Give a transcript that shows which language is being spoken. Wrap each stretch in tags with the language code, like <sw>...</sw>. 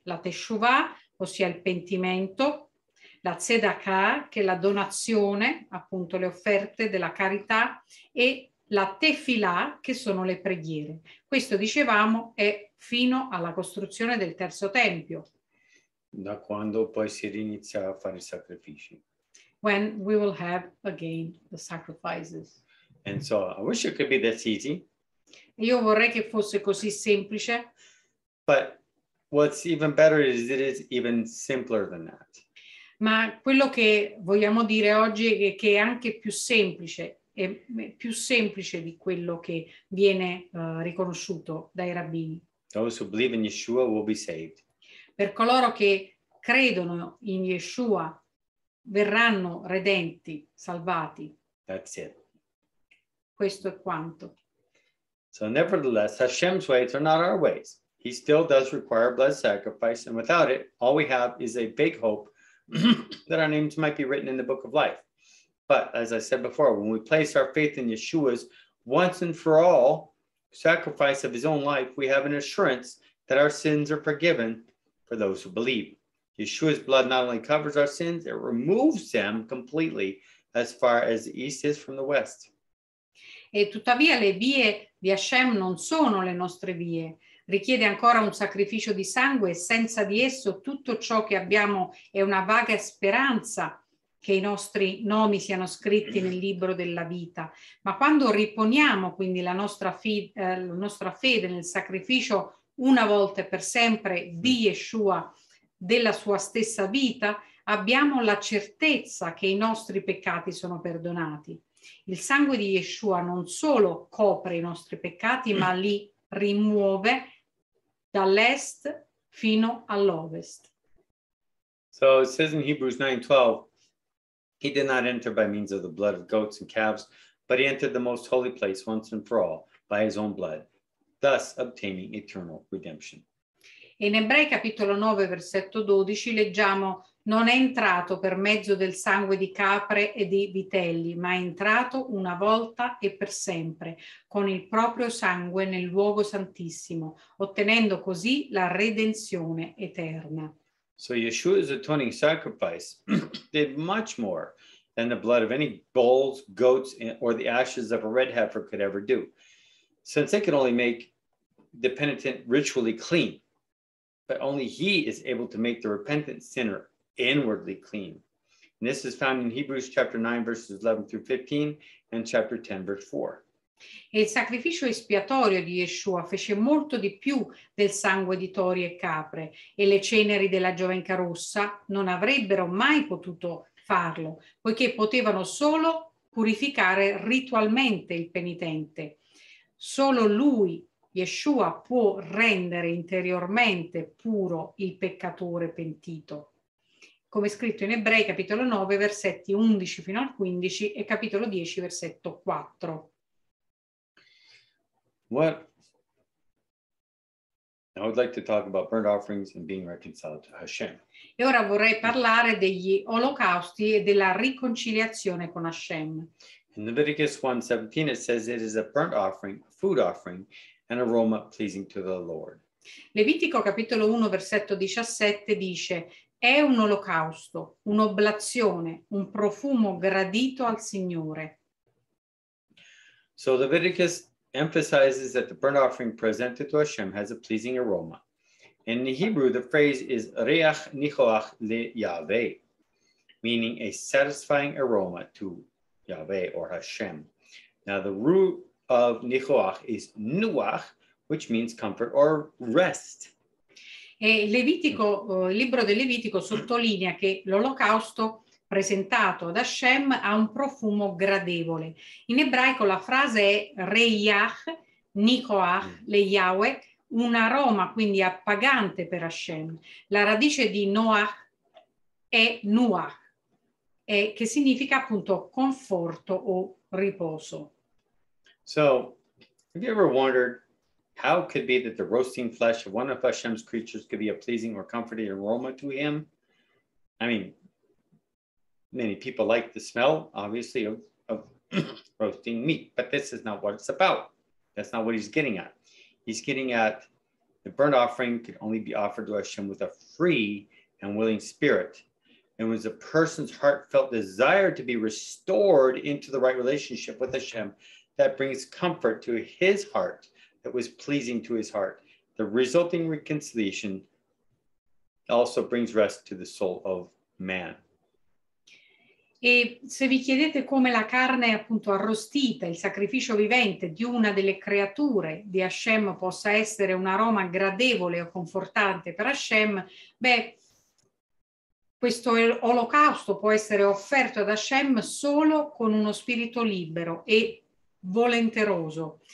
<it>La Teshuvah, ossia il pentimento, la tzedakah, che è la donazione, appunto le offerte della carità, e la tefilah, che sono le preghiere. Questo, dicevamo, è fino alla costruzione del terzo tempio. Da quando poi si rinizia a fare i sacrifici.</it> <en>When we will have again the sacrifices. And so I wish it could be that easy.</en> <it>Io vorrei che fosse così semplice.</it> <en>But what's even better is it is even simpler than that.</en> <it>Ma quello che vogliamo dire oggi è che è anche più semplice, è più semplice di quello che viene riconosciuto dai rabbini.</it> <en>Those who believe in Yeshua will be saved.</en> <it>Per coloro che credono in Yeshua verranno redenti, salvati.</it> <en>That's it.</en> <it>Questo è quanto.</it> <en>So nevertheless, Hashem's ways are not our ways. He still does require blood sacrifice, and without it, all we have is a vague hope that our names might be written in the book of life. But as I said before, when we place our faith in Yeshua's once and for all sacrifice of his own life, we have an assurance that our sins are forgiven for those who believe. Yeshua's blood not only covers our sins, it removes them completely as far as the east is from the west.</en> <it>E tuttavia le vie di Hashem non sono le nostre vie. Richiede ancora un sacrificio di sangue e senza di esso tutto ciò che abbiamo è una vaga speranza che i nostri nomi siano scritti nel libro della vita. Ma quando riponiamo quindi la nostra fede nel sacrificio una volta e per sempre di Yeshua, della sua stessa vita, abbiamo la certezza che i nostri peccati sono perdonati. Il sangue di Yeshua non solo copre i nostri peccati, ma li rimuove dall'est fino all'ovest.</it> <en>So it says in Hebrews 9:12, He did not enter by means of the blood of goats and calves, but he entered the most holy place once and for all by his own blood, thus obtaining eternal redemption.</en> <it>In Ebrei capitolo 9, versetto 12, leggiamo: non è entrato per mezzo del sangue di capre e di vitelli, ma è entrato una volta e per sempre con il proprio sangue nel luogo santissimo, ottenendo così la redenzione eterna.</it> <en>So Yeshua's atoning sacrifice did much more than the blood of any bulls, goats, or the ashes of a red heifer could ever do, since it can only make the penitent ritually clean, but only he is able to make the repentant sinner inwardly clean. And this is found in Hebrews chapter 9, verses 11 through 15, and chapter 10, verse 4.</en> <it>E il sacrificio espiatorio di Yeshua fece molto di più del sangue di tori e capre, e le ceneri della giovenca rossa non avrebbero mai potuto farlo, poiché potevano solo purificare ritualmente il penitente. Solo lui, Yeshua, può rendere interiormente puro il peccatore pentito. Come scritto in Ebrei, capitolo 9, versetti 11 fino al 15, e capitolo 10, versetto 4.</it> <en>What? I would like to talk about burnt offerings and being reconciled to Hashem.</en> <it>E ora vorrei parlare degli olocausti e della riconciliazione con Hashem.</it> <en>In Leviticus 1:17 it says it is a burnt offering, a food offering, an aroma pleasing to the Lord.</en> <it>Levitico capitolo 1 versetto 17 dice: è un olocausto, un'oblazione, un profumo gradito al Signore.</it> <en>So Leviticus emphasizes that the burnt offering presented to Hashem has a pleasing aroma. In the Hebrew, the phrase is</en> <he>Reach Nichoach LeYahveh,</he> <en>meaning a satisfying aroma to Yahweh or Hashem. Now, the root of Nichoach is Nuach, which means comfort or rest.</en> <it>E Levitico, il libro del Levitico sottolinea che l'olocausto presentato ad Hashem ha un profumo gradevole. In ebraico la frase è</it> <he>Reiach Nichoach LeYahweh,</he> <it>un aroma quindi appagante per Hashem. La radice di Noach è Nuach, che significa appunto conforto o riposo.</it> <en>So, have you ever wondered how could be that the roasting flesh of one of Hashem's creatures could be a pleasing or comforting aroma to him? I mean, many people like the smell, obviously, of roasting meat, but this is not what it's about. That's not what he's getting at. He's getting at the burnt offering could only be offered to Hashem with a free and willing spirit. It was a person's heartfelt desire to be restored into the right relationship with Hashem that brings comfort to his heart, that was pleasing to his heart. The resulting reconciliation also brings rest to the soul of man.</en> <it>E se vi chiedete come la carne appunto arrostita, il sacrificio vivente di una delle creature di Hashem possa essere un aroma gradevole o confortante per Hashem, beh, questo olocausto può essere offerto ad Hashem solo con uno spirito libero e volenteroso.</it>